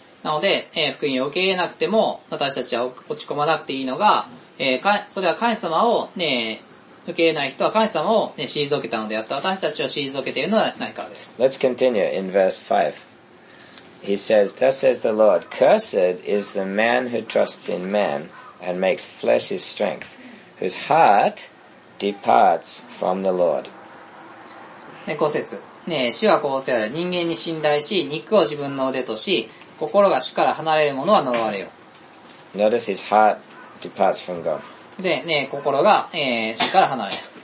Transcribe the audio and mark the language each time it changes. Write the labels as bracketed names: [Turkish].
[Japanese] なので、福音を受け入れなくても、私たちは落ち込まなくていいのが、それは神様を、受け入れない人は神様を、退けたのであった。私たちを退けているのではないからです。 [English] Let's continue in verse 5. He says, Thus says the Lord, Cursed is the man who trusts in man and makes flesh his strength, whose heart departs from the Lord. [Japanese] 五節、主はこうせられ、人間に信頼し、肉を自分の腕とし、心が主から離れるものは呪われよ。 [English] Notice his heart departs from God. [Japanese] で、心が、主から離れます。